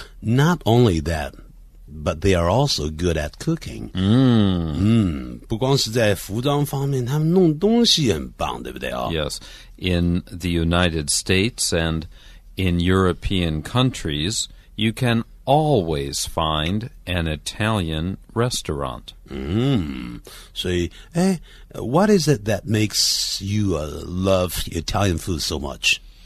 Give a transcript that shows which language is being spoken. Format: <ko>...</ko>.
<en>Not only thatBut they are also good at cooking.</en> <zh>不光是在服装方面，他们弄东西很棒，对不对啊？</zh> <en>Yes. In the United States and in European countries, you can always find an Italian restaurant. So, what is it that makes you love Italian food so much?</en>